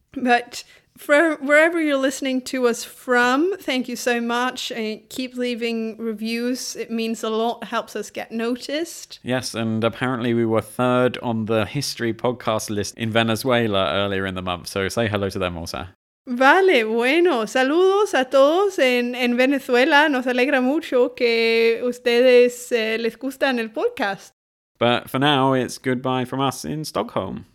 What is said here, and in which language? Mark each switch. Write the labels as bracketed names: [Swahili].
[English] But for wherever you're listening to us from, thank you so much. Keep leaving reviews. It means a lot. Helps us get noticed. Yes, and apparently we were 3rd on the history podcast list in Venezuela earlier in the month, so say hello to them also. [Spanish] Vale, bueno, saludos a todos en Venezuela. Nos alegra mucho que ustedes les gustan el podcast. [English] But for now, it's goodbye from us in Stockholm.